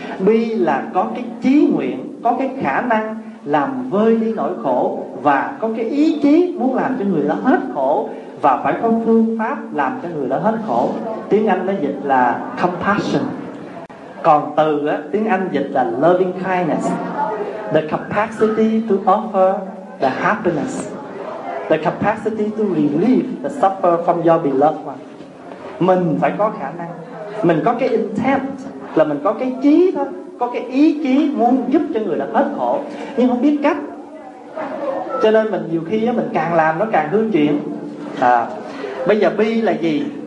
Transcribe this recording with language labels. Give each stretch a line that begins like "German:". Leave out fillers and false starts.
Vietnamese: Bi là có cái chí nguyện, có cái khả năng làm vơi đi nỗi khổ, và có cái ý chí muốn làm cho người đó hết khổ, và phải có phương pháp làm cho người đó hết khổ. Tiếng Anh nó dịch là compassion. Còn từ á, tiếng Anh dịch là loving kindness.
English: The capacity to offer the happiness, the capacity to relieve the suffer from your beloved one.
Vietnamese: Mình phải có khả năng, mình có cái intent, là mình có cái chí thôi, có cái ý chí muốn giúp cho người đó hết khổ, nhưng không biết cách. Cho nên mình nhiều khi á, mình càng làm nó càng hư chuyện. Bây giờ bi là gì?